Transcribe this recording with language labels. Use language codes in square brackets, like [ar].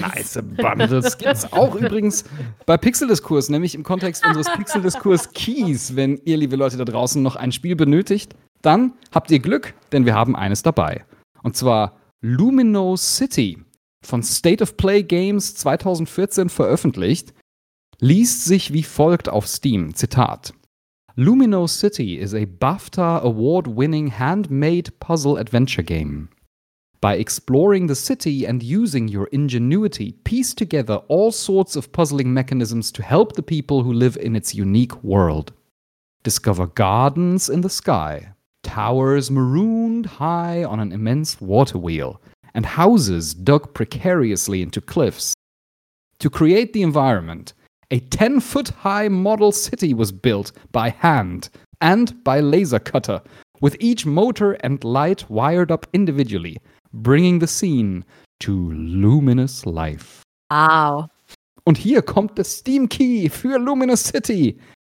[de] Nice Bundles gibt's auch übrigens bei Pixeldiskurs, nämlich im Kontext unseres Pixeldiskurs Keys. Wenn ihr, liebe Leute da draußen, noch ein Spiel benötigt, dann habt ihr Glück, denn wir haben eines dabei. Und zwar Lumino City von State of Play Games 2014 veröffentlicht, liest sich wie folgt auf Steam. Zitat. [en] Lumino City is a BAFTA award-winning handmade puzzle adventure game. By exploring the city and using your ingenuity, piece together all sorts of puzzling mechanisms to help the people who live in its unique world. Discover gardens in the sky, towers marooned high on an immense water wheel, and houses dug precariously into cliffs. To create the environment, a 10-foot-high model city was built by hand and by laser cutter, with each motor and light wired up individually, bringing the scene to luminous life. Wow. [de] Und hier kommt der Steam Key für Luminous City.